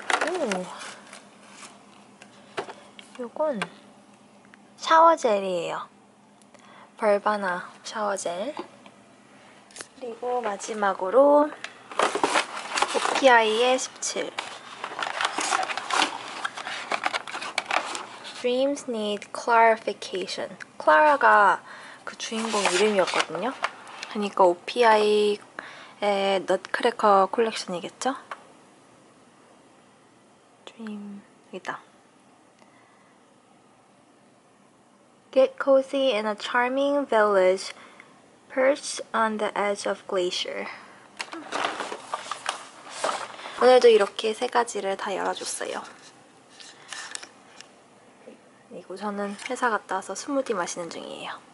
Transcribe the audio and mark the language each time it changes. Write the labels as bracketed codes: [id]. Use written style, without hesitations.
[ko] 오, 요건 샤워젤이에요. 벌바나 샤워젤. 그리고 마지막으로 OPI의 17. [en] Dreams need clarification. [ko] Clara가 그 주인공 이름이었거든요. 그러니까 OPI의 넛크래커 컬렉션이겠죠? Dream. 여기다. [en] Get cozy in a charming village perched on the edge of glacier. [ko] 오늘도 이렇게 세 가지를 다 열어줬어요. 그리고 저는 회사 갔다 와서 스무디 마시는 중이에요.